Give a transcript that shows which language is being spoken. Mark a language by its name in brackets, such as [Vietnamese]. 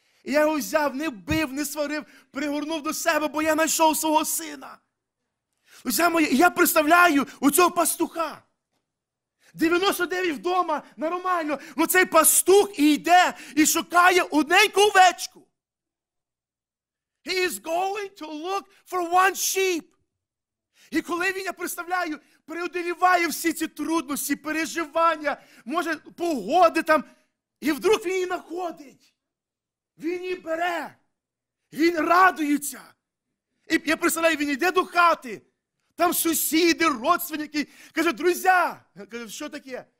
[Ukrainian] І я його взяв, не бив, не сварив, пригорнув до себе, бо я знайшов свого сина. Друзі мої, я представляю у цього пастуха. 99 вдома, нормально. Ну цей пастух йде і шукає одненьку овечку. [English] He is going to look for one sheep. [Ukrainian] І коли він, я представляю, преодоліває всі ці трудності, переживання, може погоди там, і вдруг він її знаходить. Він її бере, він радується. І я представляю, він йде до хати, там сусіди, родственники, каже, друзя, каже, що таке?